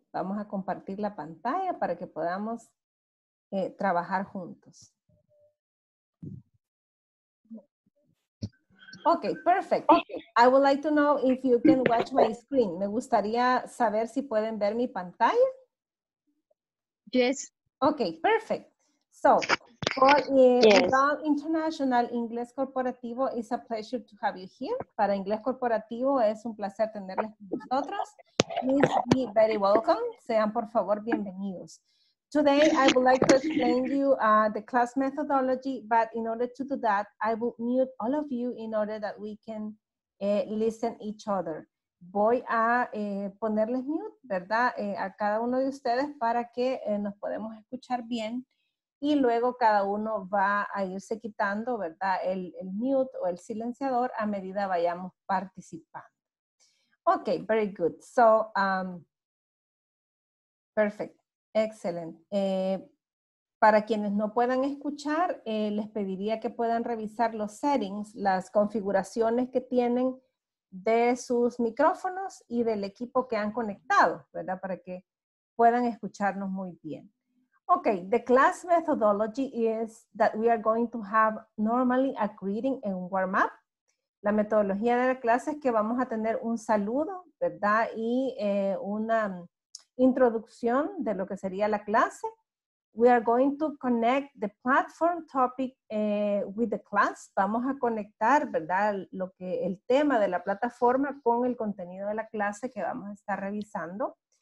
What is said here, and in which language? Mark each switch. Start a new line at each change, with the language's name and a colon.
Spanish: Vamos a compartir la pantalla para que podamos trabajar juntos.
English: Okay, perfect. I would like to know if you can watch my screen.
Spanish: Me gustaría saber si pueden ver mi pantalla.
English: Yes. Okay, perfect. So, for yes. International Inglés Corporativo, it's a pleasure to have you here.
Spanish: Para Inglés Corporativo, es un placer tenerles con nosotros.
English: Please be very welcome.
Spanish: Sean, por favor, bienvenidos.
English: Today, I would like to explain to you the class methodology, but in order to do that, I will mute all of you in order that we can listen each other.
Spanish: Voy a ponerles mute, ¿verdad? A cada uno de ustedes para que nos podamos escuchar bien. Y luego cada uno va a irse quitando, ¿verdad? El mute o el silenciador a medida vayamos participando.
English: Okay, very good. So, perfect.
Spanish: Excelente. Para quienes no puedan escuchar, les pediría que puedan revisar los settings, las configuraciones que tienen de sus micrófonos y del equipo que han conectado, ¿verdad? Para que puedan escucharnos muy bien.
English: Ok, the class methodology is that we are going to have normally a greeting and warm up.
Spanish: La metodología de la clase es que vamos a tener un saludo, ¿verdad? Y una introducción de lo que sería la clase.
English: We are going to connect the platform topic with the class.
Spanish: Vamos a conectar, ¿verdad? Lo que el tema de la plataforma con el contenido de la clase que vamos a estar revisando.